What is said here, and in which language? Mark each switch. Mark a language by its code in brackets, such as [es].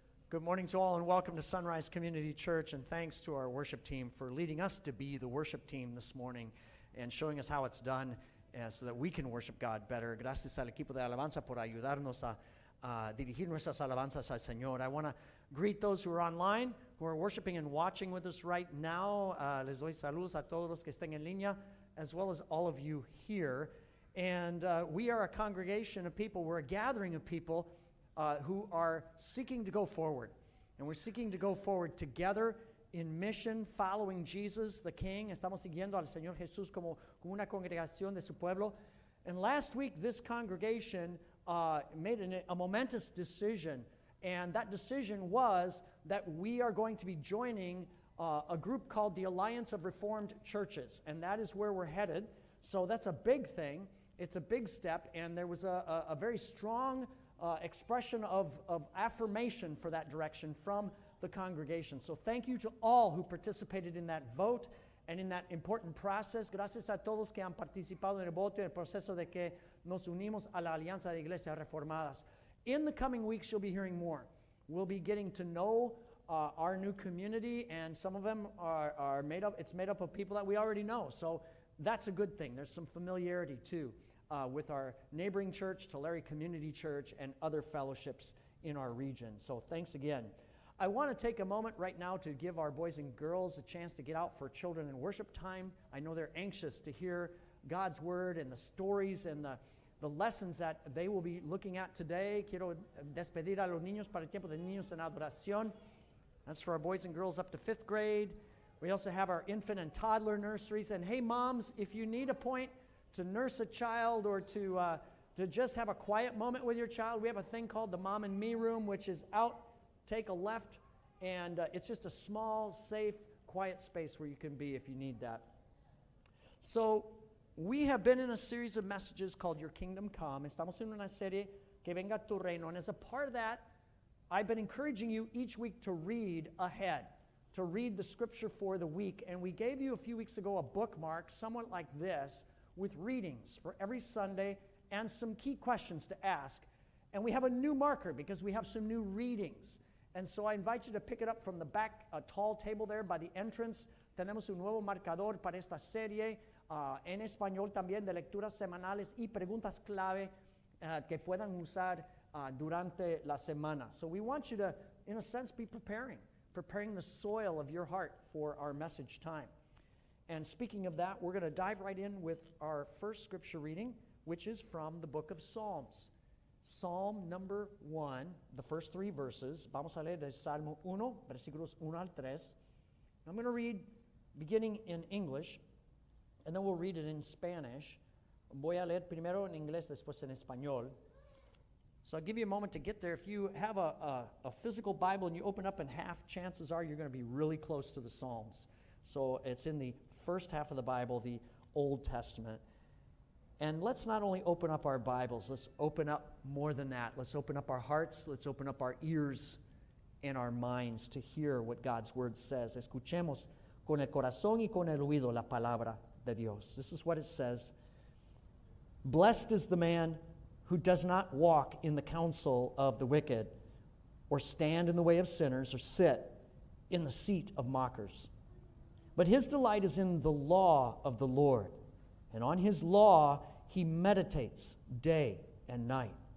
[en] Good morning to all and welcome to Sunrise Community Church, and thanks to our worship team for leading us to be the worship team this morning and showing us how it's done so that we can worship God better. [es] Gracias al equipo de alabanza por ayudarnos a dirigir nuestras alabanzas al Señor. [en] I want to greet those who are online, who are worshiping and watching with us right now. [es] Les doy saludos a todos los que estén en línea, [en] as well as all of you here. And we are a congregation of people, we're a gathering of people who are seeking to go forward. And we're seeking to go forward together in mission, following Jesus, the King. [es] Estamos siguiendo al Señor Jesús como una congregación de su pueblo. [en] And last week, this congregation made a momentous decision. And that decision was that we are going to be joining a group called the Alliance of Reformed Churches. And that is where we're headed. So that's a big thing. It's a big step. And there was a very strong expression of affirmation for that direction from the congregation. So thank you to all who participated in that vote and in that important process. [es] Gracias a todos que han participado en el voto y el proceso de que nos unimos a la Alianza de Iglesias Reformadas. [en] In the coming weeks, you'll be hearing more. We'll be getting to know our new community, and some of them are made up. It's made up of people that we already know. So that's a good thing. There's some familiarity too. With our neighboring church, Tulare Community Church, and other fellowships in our region. So thanks again. I want to take a moment right now to give our boys and girls a chance to get out for children and worship time. I know they're anxious to hear God's word and the stories and the lessons that they will be looking at today. [es] Quiero despedir a los niños para el tiempo de niños en adoración. [en] That's for our boys and girls up to fifth grade. We also have our infant and toddler nurseries. And hey, moms, if you need a point to nurse a child or to just have a quiet moment with your child, we have a thing called the Mom and Me Room, which is out, take a left, and it's just a small, safe, quiet space where you can be if you need that. So we have been in a series of messages called Your Kingdom Come. [es] Estamos en una serie, Que Venga Tu Reino. [en] And as a part of that, I've been encouraging you each week to read ahead, to read the scripture for the week. And we gave you a few weeks ago a bookmark somewhat like this, with readings for every Sunday and some key questions to ask. And we have a new marker because we have some new readings. And so I invite you to pick it up from the back, a tall table there by the entrance. [es] Tenemos un nuevo marcador para esta serie en español también de lecturas semanales y preguntas clave que puedan usar durante la semana. [en] So we want you to, in a sense, be preparing the soil of your heart for our message time. And speaking of that, we're going to dive right in with our first scripture reading, which is from the book of Psalms. Psalm number 1, the first three verses. [es] Vamos a leer de Salmo 1, versículos 1 al 3. [en] I'm going to read beginning in English, and then we'll read it in Spanish. [es] Voy a leer primero en inglés, después en español. [en] So I'll give you a moment to get there. If you have a physical Bible and you open up in half, chances are you're going to be really close to the Psalms. So it's in the first half of the Bible, the Old Testament. And let's not only open up our Bibles, let's open up more than that. Let's open up our hearts, let's open up our ears and our minds to hear what God's Word says. [es] Escuchemos con el corazón y con el oído la palabra de Dios. [en] This is what it says. Blessed is the man who does not walk in the counsel of the wicked, or stand in the way of sinners, or sit in the seat of mockers. But his delight is in the law of the Lord, and on his law he meditates day and night.